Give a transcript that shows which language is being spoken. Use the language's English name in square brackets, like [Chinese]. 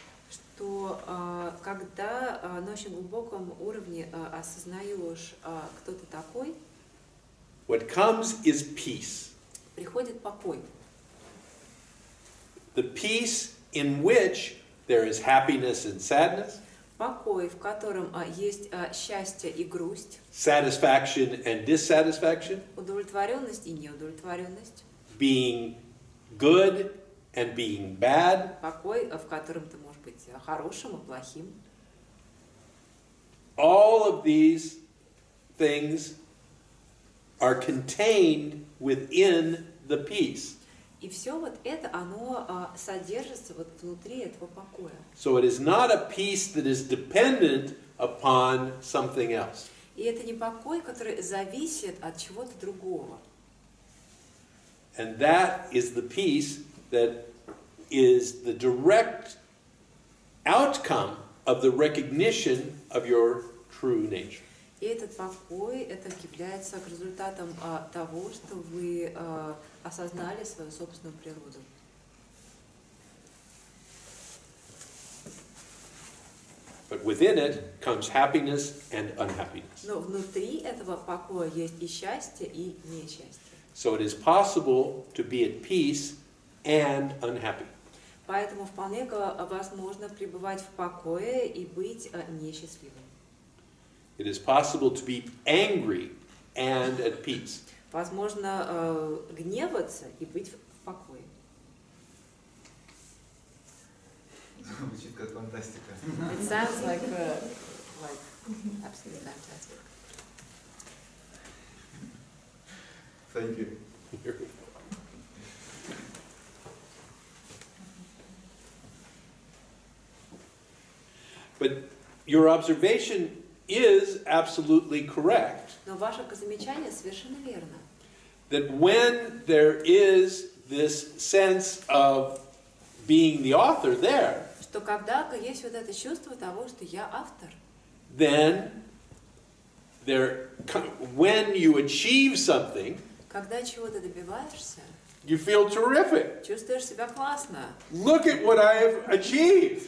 [Russian] что когда на очень глубоком уровне осознаешь, кто ты такой, [English] what comes is peace. [Russian] Приходит покой. [English] The peace in which there is happiness and sadness. [Russian] Покой, в котором есть счастье и грусть. [English] Satisfaction and dissatisfaction. [Russian] Удовлетворенность и неудовлетворенность. [English] Being good and being bad. [Russian] Покой, в котором ты можешь быть хорошим и плохим. [English] All of these things are contained within the peace. [Russian] И все вот это, оно содержится вот внутри этого покоя. [English] So it is not a peace that is dependent upon something else. [Russian] И это не покой, который зависит от чего-то другого. [English] And that is the peace that is the direct outcome of the recognition of your true nature. [Russian] И этот покой, это является результатом того, что вы осознали свою собственную природу. [English] But within it comes happiness and unhappiness. [Russian] Но внутри этого покоя есть и счастье, и несчастье. [English] So it is possible to be at peace and unhappy. [Russian] Поэтому вполне возможно пребывать в покое и быть несчастливым. [English] It is possible to be angry and at peace. [Russian] Возможно, гневаться и быть в покое. Звучит как фантастика. [English] It sounds like absolutely fantastic. Thank you. But your observation is absolutely correct. [Russian] Но ваше замечание совершенно верно. [English] That when there is this sense of being the author there, [Russian] что когда есть вот это чувство того, что я автор, [English] then there, when you achieve something, [Russian] когда чего-то добиваешься, [English] you feel terrific. [Russian] Чувствуешь себя классно. [English] Look at what I have achieved.